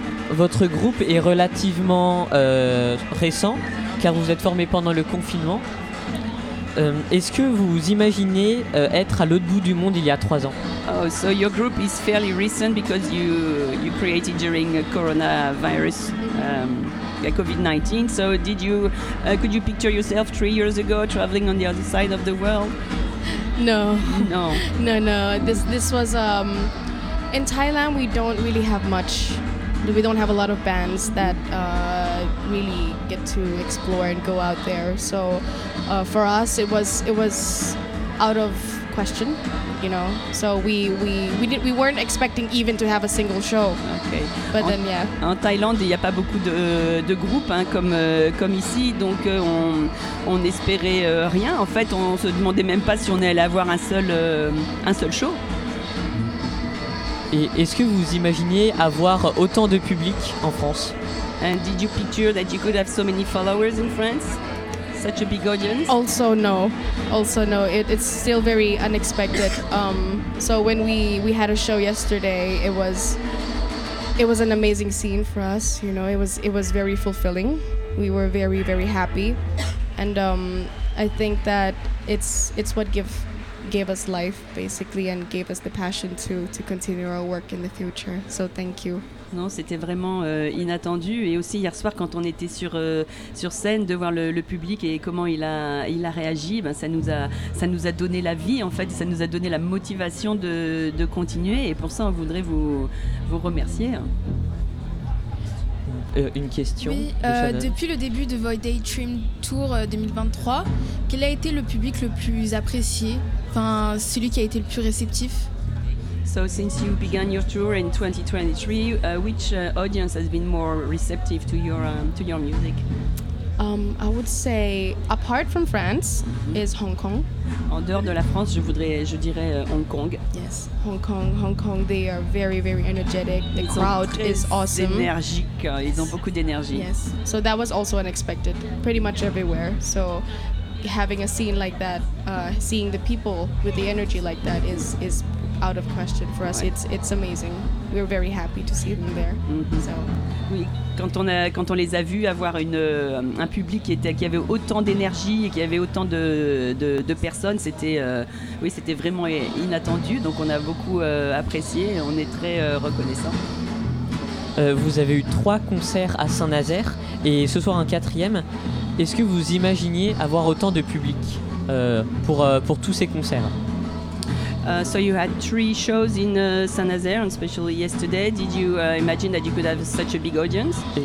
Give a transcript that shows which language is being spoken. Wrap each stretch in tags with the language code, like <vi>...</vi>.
<fr>Votre groupe est relativement récent, car vous êtes formé pendant le confinement. Est-ce que vous imaginez être à l'autre bout du monde il y a 3 ans?</fr> <en>Oh, so your group is fairly recent because you created during coronavirus, COVID-19. So did you could you picture yourself 3 years ago traveling on the other side of the world? No. No. No. No. This was in Thailand, we don't really have much. We don't have a lot of bands that really get to explore and go out there. So for us, it was out of question, you know. So we weren't expecting even to have a single show. Okay. But en, then yeah.</en> <fr>En Thaïlande, il y a pas beaucoup de groupes, hein, comme ici. Donc on espérait rien. En fait, on se demandait même pas si on allait avoir un seul show. Et est-ce que vous imaginiez avoir autant de public en France?</fr> <en>And did you picture that you could have so many followers in France? Such a big audience? Also no. Also no. It's still very unexpected. So when we had a show yesterday, it was an amazing scene for us, you know. It was very fulfilling. We were very very happy. And I think that it's what give gave us life basically and gave us the passion to continue our work in the future. So thank you.</en> <fr>Non, c'était vraiment inattendu, et aussi hier soir quand on était sur scène, de voir le public et comment il a réagi, ben ça nous a donné la vie en fait, ça nous a donné la motivation de continuer, et pour ça on voudrait vous remercier. Une question. Oui, depuis le début de Void Daydream Tour 2023, quel a été le public le plus apprécié, enfin celui qui a été le plus réceptif?</fr> <en>So since you began your tour in 2023, which audience has been more receptive to your music? I would say apart from France is Hong Kong.</en> <fr>En dehors de la France, je dirais Hong Kong.</fr> <en>Yes, Hong Kong, they are very very energetic. The crowd is awesome.</en> <fr>Énergique, ils ont beaucoup d'énergie.</fr> <en>Yes. So that was also unexpected pretty much everywhere. So having a scene like that, seeing the people with the energy like that is out of question for us. It's amazing. We're very happy to see them there. Mm-hmm. So.</en> <fr>Oui, quand on les a vus avoir un public qui avait autant d'énergie et qui avait autant de personnes, c'était vraiment inattendu. Donc on a beaucoup apprécié. On est très reconnaissant. Vous avez eu 3 concerts à Saint-Nazaire et ce soir un 4e. Est-ce que vous imaginiez avoir autant de public pour tous ces concerts?</fr> <en>So you had 3 shows in Saint-Nazaire, and especially yesterday. Did you imagine that you could have such a big audience?</en>